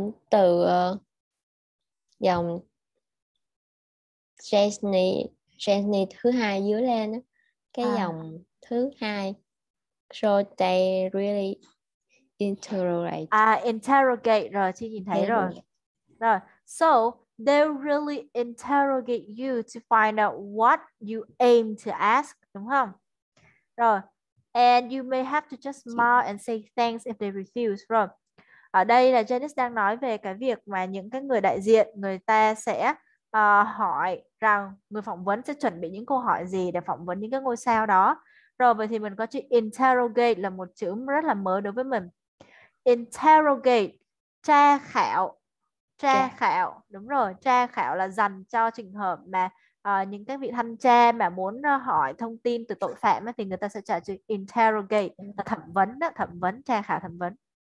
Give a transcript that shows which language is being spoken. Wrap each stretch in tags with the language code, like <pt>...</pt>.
<vi>Từ dòng Chesney thứ hai dưới lên cái dòng thứ hai,</vi> <en>so they really interrogate.</en> <vi>Interrogate rồi, chị nhìn thấy rồi.</vi> <en>Rồi, so they really interrogate you to find out what you aim to ask,</en> <vi>đúng không?</vi> <en>Rồi. And you may have to just smile and say thanks if they refuse.</en> <vi>Rồi. Ở đây là Janice đang nói về cái việc mà những cái người đại diện người ta sẽ hỏi rằng người phỏng vấn sẽ chuẩn bị những câu hỏi gì để phỏng vấn những cái ngôi sao đó. Rồi vậy thì mình có chữ interrogate là một chữ rất là mới đối với mình. Interrogate, tra khảo. Tra khảo, đúng rồi, tra khảo là dành cho trường hợp mà những các vị thanh tra mà muốn hỏi thông tin từ tội phạm thì người ta sẽ trả chữ interrogate là thẩm vấn đó, thẩm vấn, tra khảo, thẩm vấn.</vi>